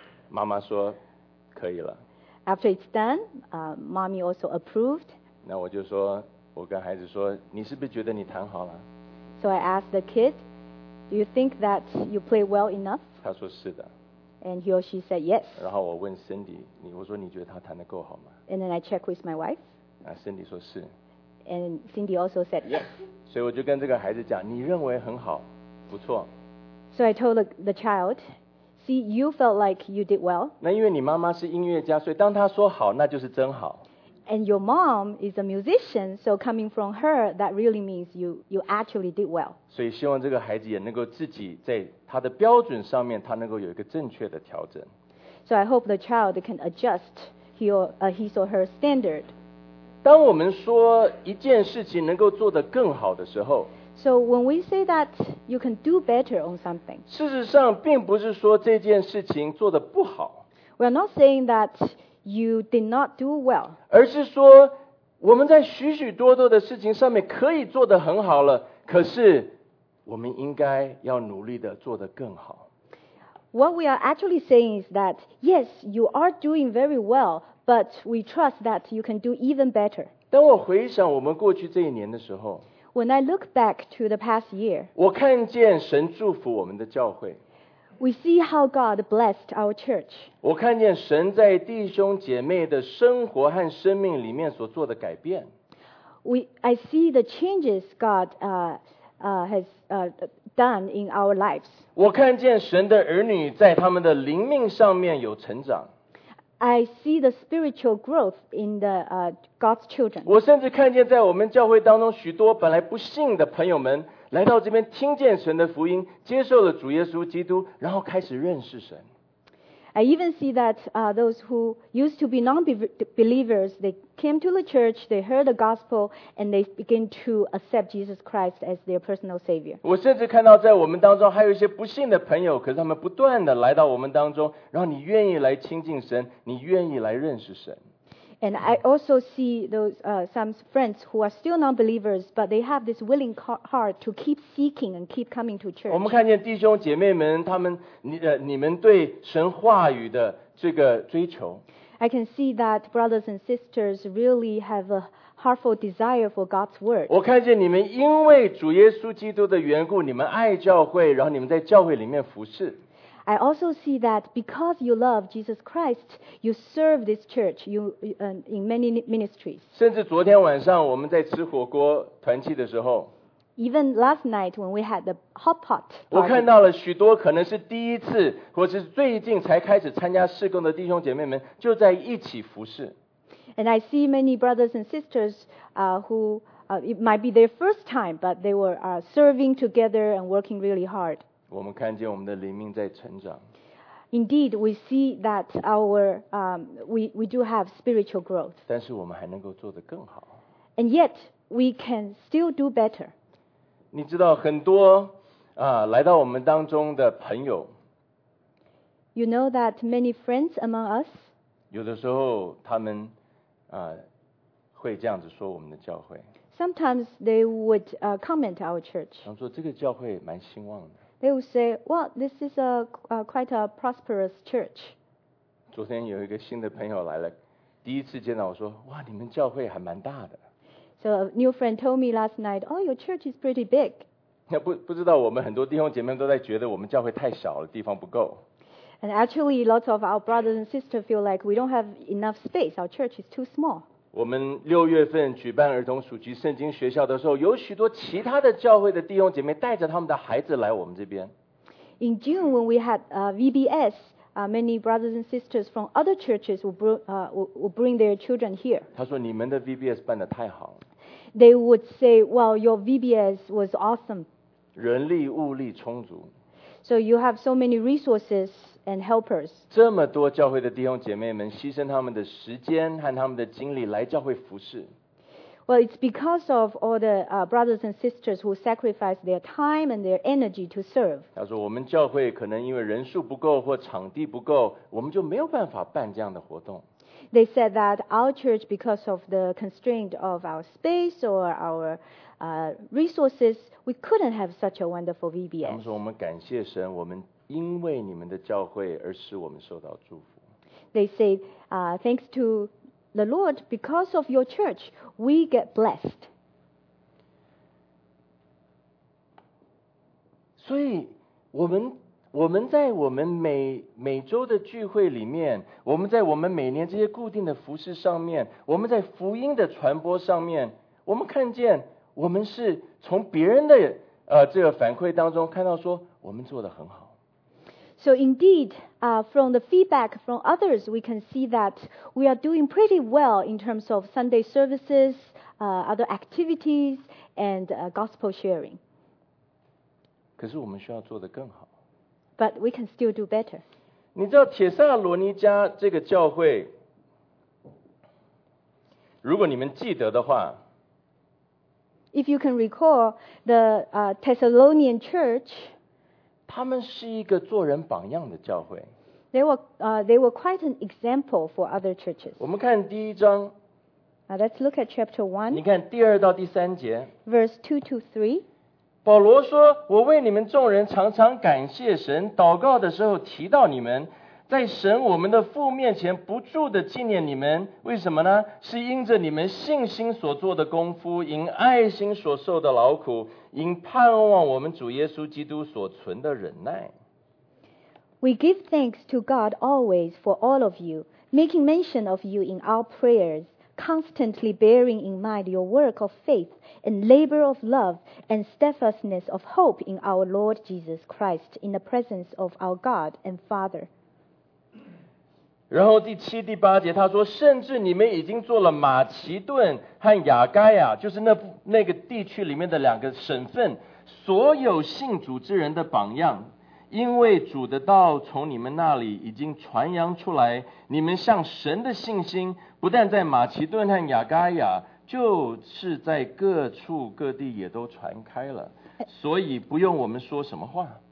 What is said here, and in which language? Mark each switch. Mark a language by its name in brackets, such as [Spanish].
[Chinese] 然后呢，弹完了以后，妈妈说可以了。 [English] After it's done, mommy also approved. [Chinese] 那我就说，我跟孩子说，你是不是觉得你弹好了？ [English] So I asked the kid, Do you think that you play well enough? [Chinese] 他说是的。 [English] And he or she said yes. [Chinese] 然后我问 Cindy, 我说你觉得他弹得够好吗？ [English] And then I checked with my wife. [Chinese] 啊, Cindy 说是。 [English] And Cindy also said yes. [Chinese] 所以我就跟这个孩子讲，你认为很好，不错。 [English] So I told the child, see, you felt like you did well. [Chinese] 那因为你妈妈是音乐家，所以当她说好，那就是真好。 [English] And your mom is a musician, so coming from her, that really means you actually did well. [Chinese] 所以希望这个孩子也能够自己在他的标准上面，他能够有一个正确的调整。 [English] So I hope the child can adjust his or her standard. [Chinese] 当我们说一件事情能够做得更好的时候， [English] So when we say that you can do better on something, [Chinese] 事实上并不是说这件事情做得不好， [English] We are not saying that you did not do well, [Chinese] 而是说我们在许许多多的事情上面可以做得很好了，可是我们应该要努力地做得更好。 [English] What we are actually saying is that, yes, you are doing very well, but we trust that you can do even better. [Chinese] 当我回想我们过去这一年的时候， [English] When I look back to the past year, [Chinese] 我看见神祝福我们的教会。 [English] We see how God blessed our church. [Chinese] 我看见神在弟兄姐妹的生活和生命里面所做的改变。 [English] I see the changes God has done in our lives. [Chinese] 我看见神的儿女在他们的灵命上面有成长。 [English] I see the spiritual growth in God's children. [Chinese] 我甚至看见在我们教会当中许多本来不信的朋友们来到这边听见神的福音，接受了主耶稣基督，然后开始认识神。 [English] I even see that those who used to be non-believers, they came to the church, they heard the gospel, and they begin to accept Jesus Christ as their personal savior. [Chinese] 我甚至看到在我们当中还有一些不信的朋友，可是他们不断地来到我们当中，然后你愿意来亲近神，你愿意来认识神。 [English] And I also see those some friends who are still non-believers, but they have this willing heart to keep seeking and keep coming to church. [Chinese] 我们看见弟兄姐妹们，他们你们对神话语的这个追求。 [English] I can see that brothers and sisters really have a heartful desire for God's word. [Chinese] 我看见你们因为主耶稣基督的缘故，你们爱教会，然后你们在教会里面服事。 [English] I also see that because you love Jesus Christ, you serve this church in many ministries. [Chinese] 甚至昨天晚上我们在吃火锅团契的时候， [English] Even last night when we had the hot pot party, [Chinese] 我看到了许多可能是第一次或是最近才开始参加事工的弟兄姐妹们就在一起服事。 [English] And I see many brothers and sisters who it might be their first time, but they were serving together and working really hard. [Chinese] 我们看见我们的灵命在成长。 [English] Indeed, we see that we do have spiritual growth. [Chinese] 但是我们还能够做得更好。 [English] And yet, we can still do better. [Chinese] 你知道很多来到我们当中的朋友。 [English] You know that many friends among us. [Chinese] 有的时候他们会这样子说我们的教会。 [English] Sometimes they would comment our church. [Chinese] 他们说这个教会蛮兴旺的。 [English] They will say, well, this is quite a prosperous church. [Chinese] 昨天有一个新的朋友来了，第一次见到我说，哇，你们教会还蛮大的。 [English] So a new friend told me last night, oh, your church is pretty big. [Chinese] 不知道我们很多弟兄姐妹都在觉得我们教会太小了，地方不够。 [English] And actually, lots of our brothers and sisters feel like we don't have enough space. Our church is too small. [Chinese] 我们六月份举办儿童暑期圣经学校的时候，有许多其他的教会的弟兄姐妹带着他们的孩子来我们这边。 [English] In June, when we had VBS, many brothers and sisters from other churches will bring their children here. [Chinese] 他说：“你们的 VBS 办得太好了。” [English] They would say, "Well, your VBS was awesome." [Chinese] 人力物力充足。 [English] So you have so many resources and helpers. [Chinese] 这么多教会的弟兄姐妹们牺牲他们的时间和他们的精力来教会服事。 [English] Well, it's because of all the brothers and sisters who sacrifice their time and their energy to serve. [Chinese] 他说我们教会可能因为人数不够或场地不够，我们就没有办法办这样的活动。 [English] They said that our church, because of the constraint of our space or our resources, we couldn't have such a wonderful VBS. [Chinese] 他们说我们感谢神，我们因为你们的教会而使我们受到祝福。 [English] They say, thanks to the Lord, because of your church, we get blessed. [Chinese] 所以我们在我们每周的聚会里面，我们在我们每年这些固定的服事上面，我们在福音的传播上面，我们看见我们是从别人的这个反馈当中看到说我们做得很好。 [English] So indeed, from the feedback from others, we can see that we are doing pretty well in terms of Sunday services, other activities, and gospel sharing. [Chinese] 可是我们需要做得更好。 [English] But we can still do better. [Chinese] 你知道铁萨罗尼加这个教会，如果你们记得的话， [English] If you can recall the Thessalonian church, [Chinese] 他们是一个做人榜样的教会。 [English] They were quite an example for other churches. [Chinese] 我们看第一章。 [English] Let's look at chapter 1. [Chinese] 你看第二到第三节。 [English] Verse 2 to 3. [Chinese] 保罗说我为你们众人常常感谢神祷告的时候提到你们在神我们的父面前不住地纪念你们为什么呢是因着你们信心所做的功夫因爱心所受的劳苦因盼望我们主耶稣基督所存的忍耐 [English] We give thanks to God always for all of you making mention of you in our prayersconstantly bearing in mind your work of faith and labor of love and steadfastness of hope in our Lord Jesus Christ in the presence of our God and Father. [Chinese] 然后第七、第八节他说甚至你们已经做了马其顿和雅该亚就是 那个地区里面的两个省份所有信主之人的榜样因为主的道从你们那里已经传扬出来你们向神的信心不但在马其顿和雅该亚就是在各处各地也都传开了所以不用我们说什么话